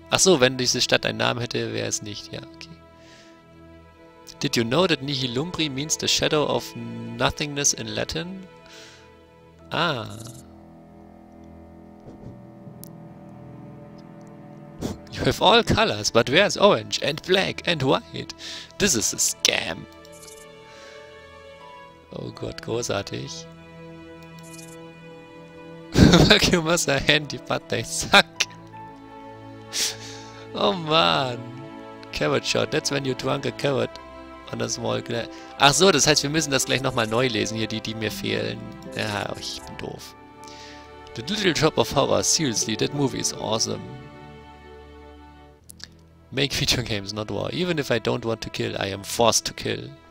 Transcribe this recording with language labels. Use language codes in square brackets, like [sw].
[de] Achso, wenn diese Stadt einen Namen hätte, wäre es nicht. Ja, okay. [en] Did you know that Nihilumbri means the shadow of nothingness in Latin? Ah. You have all colors, but where's orange and black and white? This is a scam. [de] Oh Gott, großartig. [en] Fuck, you must have a handy, but they suck. Oh man. Carrot shot. That's when you drunk a carrot on a small glass. [de] Ach so, das heißt, wir müssen das gleich nochmal neu lesen, hier, die mir fehlen. Ja, ich bin doof. The Little Shop of Horror. [en] Seriously, that movie is awesome. Make video games, not war. Even if I don't want to kill, I am forced to kill.